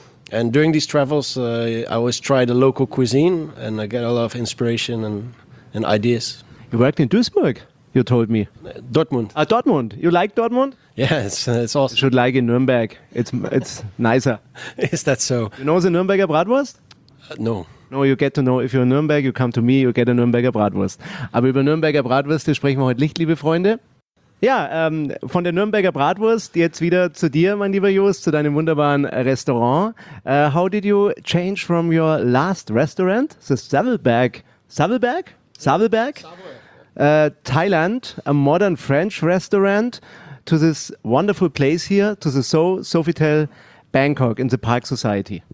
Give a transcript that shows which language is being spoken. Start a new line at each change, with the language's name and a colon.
English: And during these travels, I always try the local cuisine and I get a lot of inspiration and ideas. You worked in Duisburg, you told me. Dortmund. Dortmund. You like Dortmund? Yeah, it's awesome. You should like in Nürnberg. It's nicer. Is that so? You know the Nürnberger Bratwurst? No. No, you get to know, if you're in Nürnberg, you come to me, you get a Nürnberger Bratwurst.
German: Aber über Nürnberger Bratwurst sprechen wir heute nicht, liebe Freunde. Ja, von der Nürnberger Bratwurst jetzt wieder zu dir, mein lieber Joost, zu deinem wunderbaren Restaurant.
English: How did you change from your last restaurant, the Savelberg, Thailand, a modern French restaurant, to this wonderful place here, to the Sofitel Bangkok in the Park Society?